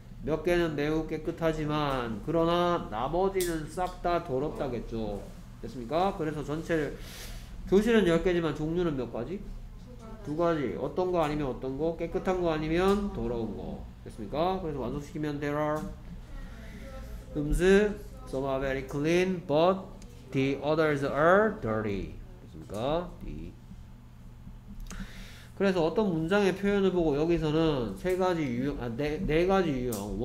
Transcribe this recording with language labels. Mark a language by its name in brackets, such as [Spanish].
[Korean] 몇 개는 매우 깨끗하지만 그러나 나머지는 싹 다 더럽다겠죠. 됐습니까? 그래서 전체를 교실은 10개지만 종류는 몇 가지? 두 가지. 어떤 거 아니면 어떤 거? 깨끗한 거 아니면 더러운 거. 됐습니까? 그래서 완성시키면 [English] There are rooms. Some are very clean but the others are dirty. [Korean] 됐습니까? 그래서 어떤 문장의 표현을 보고 여기서는 세 가지 유형, 아, 네 가지 유형.